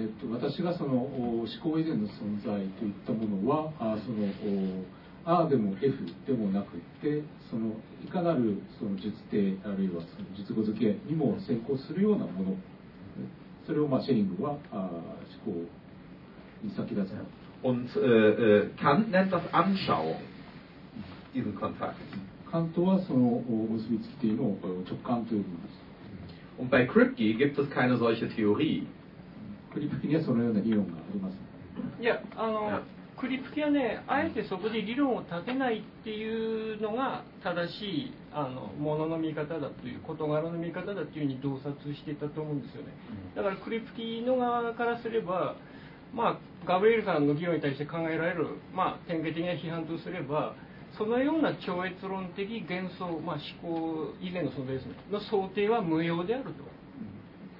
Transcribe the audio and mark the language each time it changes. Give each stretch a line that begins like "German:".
Japanese: 私がその思考以前の存在といったものはそのA でも F でもなくってそのいかなるその術定あるいはその術語付けにも先行するようなものそれをまあシェリングは思考に先立つ。
German: Und Kant nennt das Anschauung, diesen Kontakt.
Japanese: Kant はその結びつきというのを直感と呼びます。
German: Und bei Kripke gibt es keine solche Theorie.
Japanese: クリプキにはそのような理論があります。いや、クリプキはね、あえてそこで理論を立てないっていうのが正しいものの見方だという、事柄の見方だというふうに洞察してたと思うんですよね。だからクリプキの側からすれば、まあ、ガブリエルさんの議論に対して考えられる、まあ、典型的な批判とすれば、そのような超越論的幻想、まあ、思考以前の存在ですね、の想定は無用であると。